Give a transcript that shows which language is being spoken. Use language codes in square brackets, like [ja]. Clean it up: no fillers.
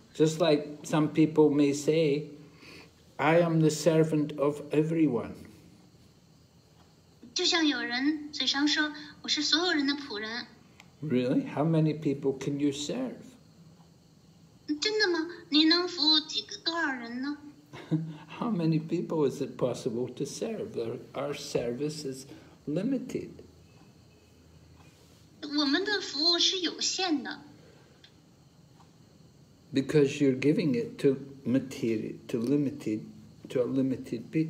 [en] Just like some people may say, I am the servant of everyone. [zh] 就像有人嘴上说，我是所有人的仆人。 [en] Really? How many people can you serve? [zh] 真的吗? 您能服务几个多少人呢? [en] How many people is it possible to serve? Our service is limited. [zh] 我们的服务是有限的。 [en] Because you're giving it to material, to limited, to a limited bit.